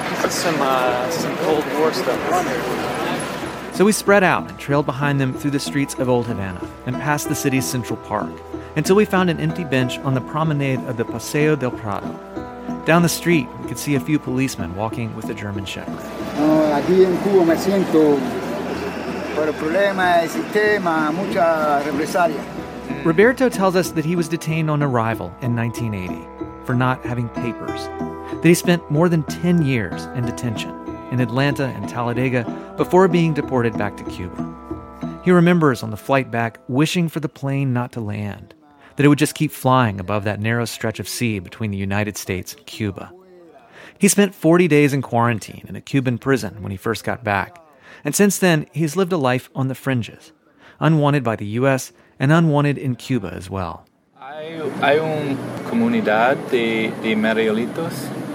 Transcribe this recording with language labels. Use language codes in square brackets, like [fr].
[en] Some Cold War stuff on there. So we spread out and trailed behind them through the streets of Old Havana and past the city's Central Park until we found an empty bench on the promenade of the Paseo del Prado. Down the street, we could see a few policemen walking with a German shepherd. [es] Aquí en Cuba me siento por el problema del sistema, mucha represalia. [en] Roberto tells us that he was detained on arrival in 1980 for not having papers, that he spent more than 10 years in detention in Atlanta and Talladega before being deported back to Cuba. He remembers on the flight back wishing for the plane not to land, that it would just keep flying above that narrow stretch of sea between the United States and Cuba. He spent 40 days in quarantine in a Cuban prison when he first got back, and since then he's lived a life on the fringes, unwanted by the U.S. and unwanted in Cuba as well. [es] Hay una comunidad de Marielitos.